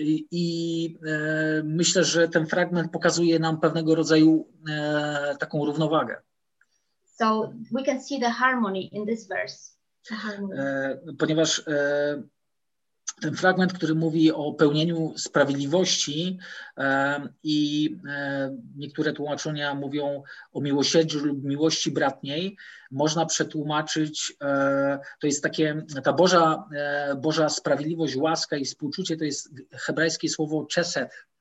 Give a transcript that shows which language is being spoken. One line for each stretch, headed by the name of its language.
Polish: I myślę, że ten fragment pokazuje nam pewnego rodzaju taką równowagę.
English: So we can see the harmony in this verse.
Polish: Ponieważ ten fragment, który mówi o pełnieniu sprawiedliwości i niektóre tłumaczenia mówią o miłosierdziu lub miłości bratniej, można przetłumaczyć, to jest takie, ta Boża sprawiedliwość, łaska i współczucie, to jest hebrajskie słowo chesed.